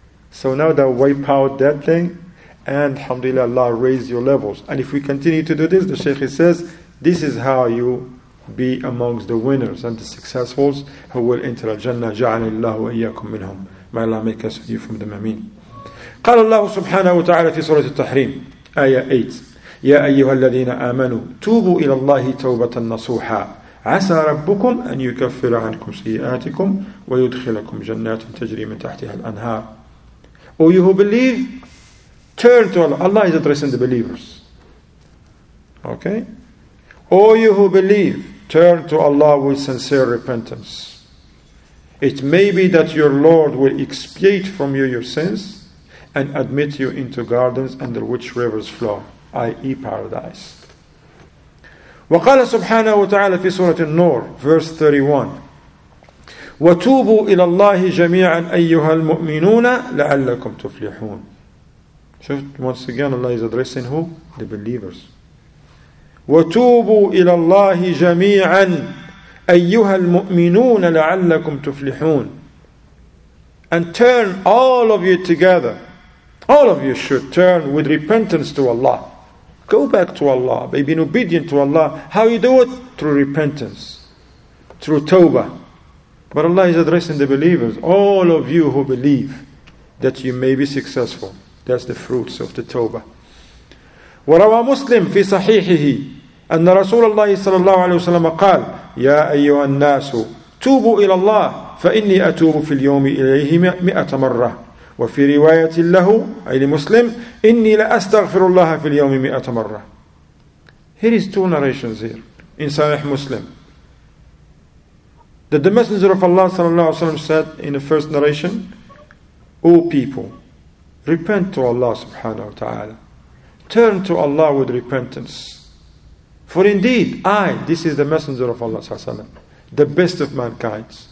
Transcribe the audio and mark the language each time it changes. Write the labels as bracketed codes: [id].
[en] So now that wipe out that thing, and alhamdulillah, Allah raise your levels. And if we continue to do this, the Shaykh says, this is how you be amongst the winners and the successfuls who will enter al-Jannah, [ar] ja'ala Allahu iyyakum minhum. [en] May Allah make us you from the Mameen. [ar] قال الله سبحانه وتعالى في سورة التحريم آية 8 يا أيها الذين آمنوا توبوا إلى الله توبة نصوحا عسى ربكم أن يكفر عنكم سيئاتكم ويدخلكم جنات تجري من تحتها الأنهار. [en] O you who believe, turn to Allah. Allah is addressing the believers. Okay? O you who believe, turn to Allah with sincere repentance. It may be that your Lord will expiate from you your sins and admit you into gardens under which rivers flow, i.e. paradise. [ar] وقال سبحانه وتعالى في سورة النور, [en] verse 31, [ar] وتوبوا إلى الله جميعا أيها المؤمنون لعلكم تفلحون. شفت [en] once again Allah is addressing who? The believers. [ar] وتوبوا إلى الله جميعا أيها المؤمنون لعلكم تفلحون. [en] And turn all of you together. All of you should turn with repentance to Allah. Go back to Allah by being obedient to Allah. How you do it? Through repentance. Through tawbah. But Allah is addressing the believers. All of you who believe that you may be successful. That's the fruits of the tawbah. [ar] وَرَوَى مُسْلِمْ فِي صَحِيحِهِ أَنَّ رَسُولَ اللَّهِ صَلَى اللَّهُ عَلَيْهُ وَسَلَمَ قَالَ يَا أَيُّهَا النَّاسُ تُوبُوا إِلَى اللَّهِ فَإِنِّي أَتُوبُ فِي الْيَوْمِ إِلَيْهِ 100 مَرَّةٍ وفي رواية له أي لمسلم إني لأستغفر الله في اليوم 100 مرة. [en] Here is two narrations here in Sahih Muslim that the Messenger of Allah صلى الله عليه وسلم said in the first narration, O people, repent to Allah subhanahu wa ta'ala. Turn to Allah with repentance. For indeed, I, this is the Messenger of Allah صلى الله عليه وسلم, the best of mankind.